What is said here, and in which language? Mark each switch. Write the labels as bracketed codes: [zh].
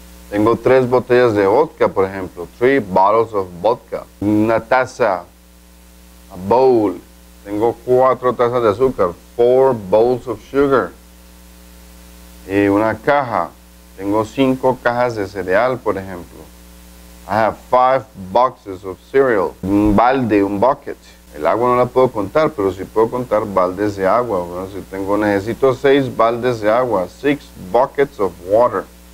[es] Tengo tres botellas de vodka, por ejemplo. [en] Three bottles of vodka. [es] Una taza. [en] A bowl. [es] Tengo cuatro tazas de azúcar. [en] Four bowls of sugar. [es] Y una caja. Tengo cinco cajas de cereal, por ejemplo. [en] I have five boxes of cereal. [es] Un balde, un bucket. El agua no la puedo contar, pero sí puedo contar baldes de agua. Bueno, si tengo, necesito seis baldes de agua. [en] Six buckets of water.